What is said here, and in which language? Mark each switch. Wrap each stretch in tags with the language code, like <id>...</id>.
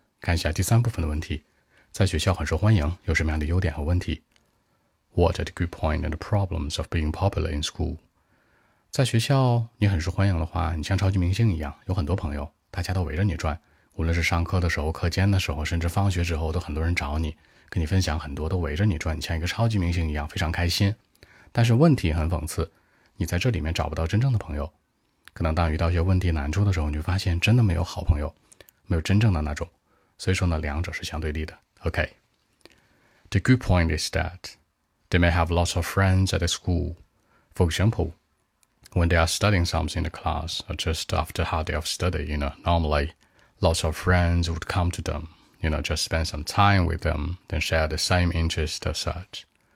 <zh>看一下第三部分的问题，在学校很受欢迎，有什么样的优点和问题？</zh> <en>What are the good points and the problems of being popular in school?</en> <zh>在学校你很受欢迎的话，你像超级明星一样，有很多朋友，大家都围着你转，无论是上课的时候、课间的时候，甚至放学之后，都很多人找你，跟你分享很多，都围着你转，你像一个超级明星一样，非常开心。但是问题很讽刺，你在这里面找不到真正的朋友。可能当遇到一些问题难处的时候，你就发现真的没有好朋友，没有真正的那种。所以说呢，两者是相对立的。</zh> <en>OK. The good point is that they may have lots of friends at the school. For example, when they are studying something in the class or just after a hard day of study, you know, normally lots of friends would come to them, you know, just spend some time with them, then share the same interest as such.</en>